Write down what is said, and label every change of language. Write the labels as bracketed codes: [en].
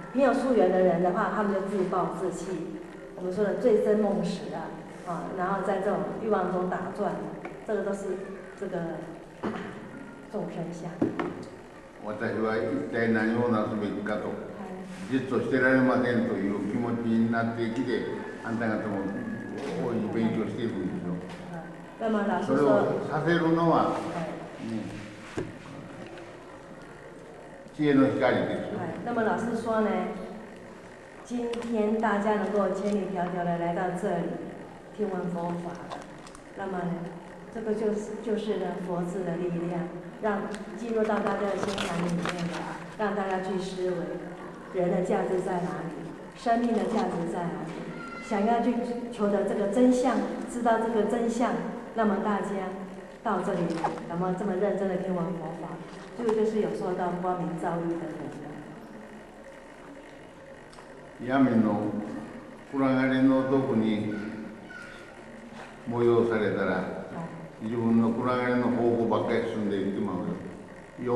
[zh] 没有素缘的人的话，他们就自暴自弃，我们说的醉生梦死啊，啊，然后在这种欲望中打转，这个都是这个众生相。 [ja] 私は一体何をなすべきかと、じっとしてられませんという気持ちになってきて、あんた方も大いに勉強していくんですよ。それをさせるのは、知恵の光ですよ。 [zh] 那么老师说呢，今天大家能够千里迢迢的来到这里听闻佛法，那么呢，这个就是呢佛智的力量，让进入到大家的心坎里面的，让大家去思维人的价值在哪里，生命的价值在哪里，想要去求得这个真相，知道这个真相，那么大家到这里，那么这么认真的听闻佛法，就是有受到光明照耀的人。 [ja] 闇の暗がりの毒に催されたら、自分の暗がりの方向ばっかり進んでいってまうよ。